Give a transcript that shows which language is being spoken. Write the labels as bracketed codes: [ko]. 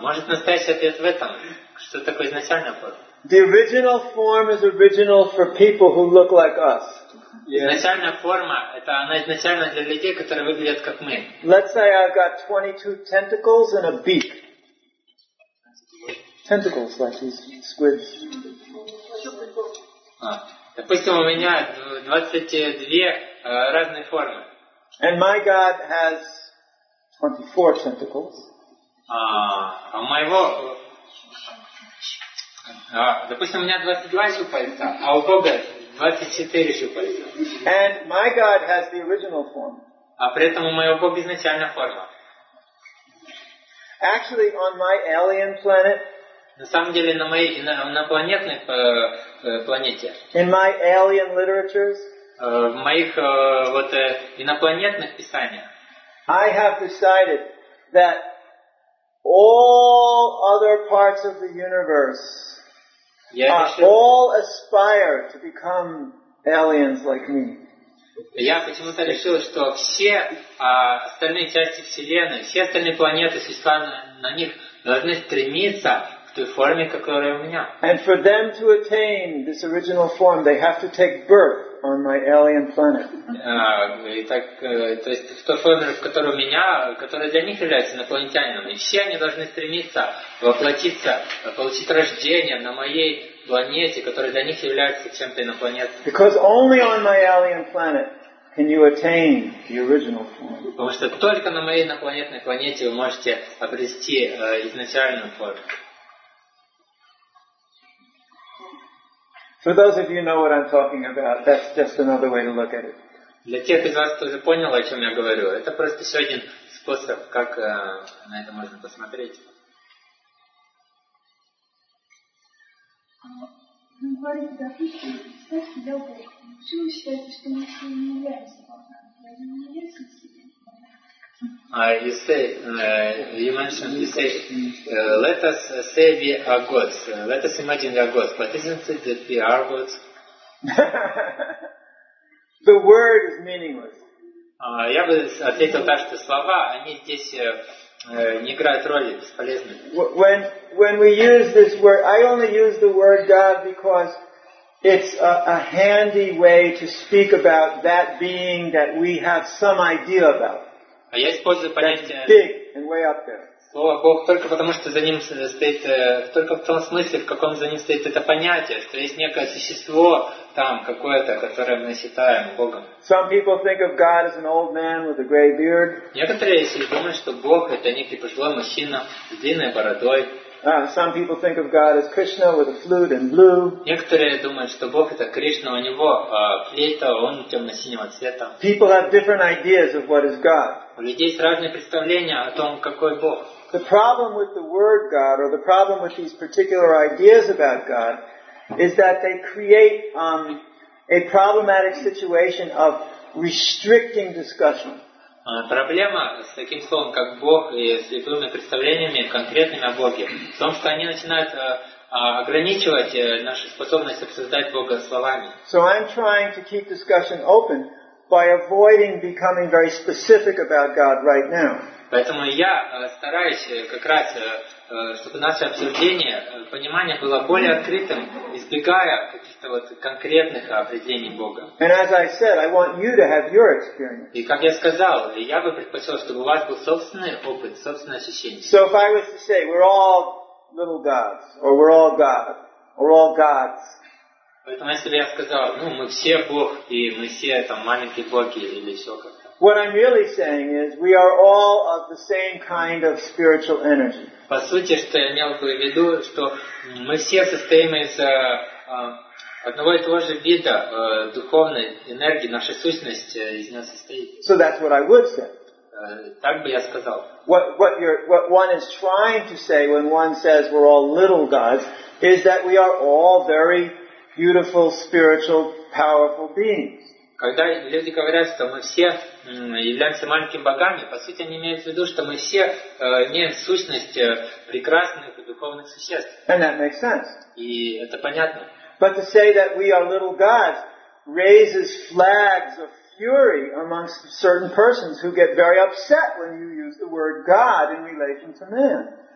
[ru] Может настоящий ответ в этом, что такое изначальная форма? [en] The original form is original for people who look like us. Yes. [ru] Изначальная форма, это она изначально для людей, которые выглядят как мы. [en] Let's say I've got 22 tentacles and a beak. Tentacles, like these squids. [ru] Допустим, у меня 22 разные формы. [en] And my God has 24 tentacles. [ru] А моего... допустим, у меня 22 щупальца, а у Бога... 24 щупальца. [en] And my God has the original form. [ru] А при этом у моего Бога изначальная форма. [en] Actually, on my alien planet. [ru] На самом деле, на моей на планетной планете. [en] In my alien literatures. [ru] В моих вот инопланетных писаниях. [en] I have decided that all other parts of the universe. All aspire to become aliens like me. [ru] Я почему-то решил, что все остальные части Вселенной, все остальные планеты, существа на них должны стремиться к той форме, которая у меня. [en] And for them to attain this original form, they have to take birth on my alien planet. [ru] То есть в той форме, в которой у меня, которая для них является инопланетянином, и все они должны стремиться воплотиться, получить рождение на моей планете, которая для них является чем-то инопланетным. [en] Because only on my alien planet can you attain the original form. [ru] Потому что только на моей инопланетной планете вы можете обрести изначальную форму. [en] For those of you who know what I'm talking about, that's just another way to look at it. [ru] Для тех из вас, кто уже понял, о чем я говорю, это просто еще один способ, как на это можно посмотреть. мы говорим, допустим, представь себя Богом. Почему вы считаете, что мы все не являемся Богом? Мы не являемся себе. [en] You say, you mentioned, you say, let us say we are gods. Let us imagine we are gods. But isn't it that we are gods? The word is meaningless. [ru] Я бы ответил так, что слова, они здесь не играют роли, бесполезны. [en] When we use this word, I only use the word God because it's a handy way to speak about that being that we have some idea about. [ru] Я использую понятие [en] big and way up there. [ru] Слово Бог только потому, что за ним стоит, только в том смысле, в каком за ним стоит это понятие, что есть некое существо там какое-то, которое мы считаем Богом. [en] Some people think of God as an old man with a gray beard. [ru] Некоторые из них думают, что Бог это некий пожилой мужчина с длинной бородой. [en] Some people think of God as Krishna with a flute and blue. [ru] Некоторые думают, что Бог это Кришна, у него флейта, он темно-синего цвета. [en] People have different ideas of what is God. [ru] У людей есть разные представления о том, какой Бог. [en] The problem with the word God or the problem with these particular ideas about God is that they create a problematic situation of restricting discussion. [ru] Проблема с таким словом, как Бог, и с любыми представлениями конкретными о Боге, в том, что они начинают ограничивать нашу способность обсуждать Бога словами. [en] So I'm trying to keep discussion open by avoiding becoming very specific about God right now. [ru] Поэтому я стараюсь как раз, чтобы наше обсуждение, понимание было более открытым, избегая каких-то вот конкретных определений Бога. [en] And as I said, I want you to have your experience. [ru] И как я сказал, я бы предпочел, чтобы у вас был собственный опыт, собственное ощущение. [en] So if I was to say, we're all little gods, or we're all God, or all gods. [ru] Поэтому если бы я сказал, ну мы все Бог, и мы все там маленькие боги, или все как-то. [en] What I'm really saying is, we are all of the same kind of spiritual energy. [ru] По сути, что я имел в виду, что мы все состоим из одного и того же вида духовной энергии, наша сущность из нее состоит. [en] So that's what I would say. [ru] Так бы я сказал. [en] What one is trying to say when one says we're all little gods is that we are all very beautiful, spiritual, powerful beings. [ru] Когда люди говорят, что мы все являемся маленькими богами, по сути они имеют в виду, что мы все имеем сущность прекрасных и духовных существ. [en] And that makes sense. [ru] И это понятно. [en] But to say that we are little gods raises flags of fury amongst certain persons who get very upset when you use the word God in relation to man.